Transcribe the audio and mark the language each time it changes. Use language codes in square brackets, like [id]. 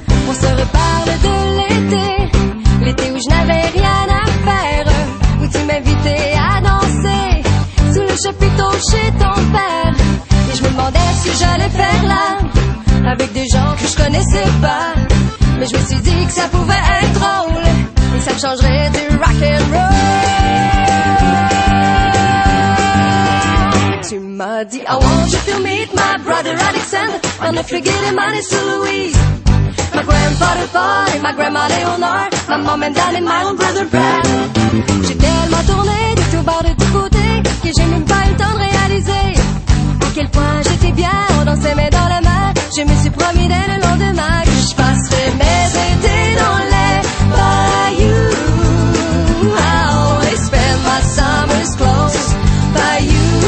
[fr] On se reparle de l'été, l'été où je n'avais rien à faire, où tu m'invitais à danser sous le chapiteau chez ton père. Et je me demandais ce que j'allais faire là, avec des gens que je connaissais pas. Mais je me suis dit que ça pouvait être drôle, et ça me changerait du rock and roll. Tu m'as dit [en] I want you to meet my brother Alexander, my nephew Gil and my niece Louise, my grandfather Paul and my grandma Leonore, my mom and dad and my own brother Brad. [fr] J'ai tellement tourné de tout bord de tout côté, que j'ai même pas eu le temps de réaliser à quel point j'étais bien. On dansait mes dans la main, je me suis promis dès le lendemain que je passerais mes étés dans les bayous. [en] I always spend my summers close by you.